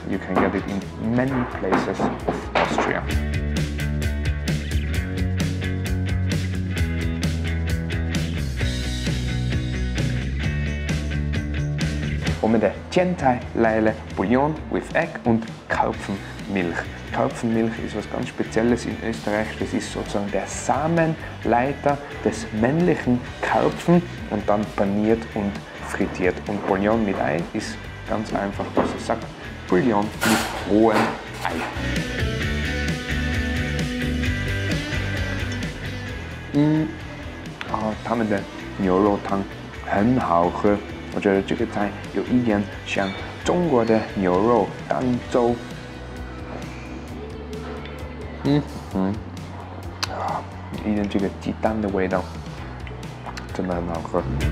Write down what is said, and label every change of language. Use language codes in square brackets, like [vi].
[en] You can get it in many places of Austria. Our main dish is bouillon with egg and Kalbsmilch. [de] Milch. Kalbsmilch ist was ganz Spezielles in Österreich. Das ist sozusagen der Samenleiter des männlichen Kalbsen und dann paniert und frittiert. Und Bouillon mit Ei ist ganz einfach, was ich sage, Bouillon mit rohem Ei. Mmh. [zh] Ah, 他们的牛肉汤很好喝。我觉得这个菜有一点像中国的牛肉汤粥。嗯嗯，一点这个鸡蛋的味道，真的很好喝。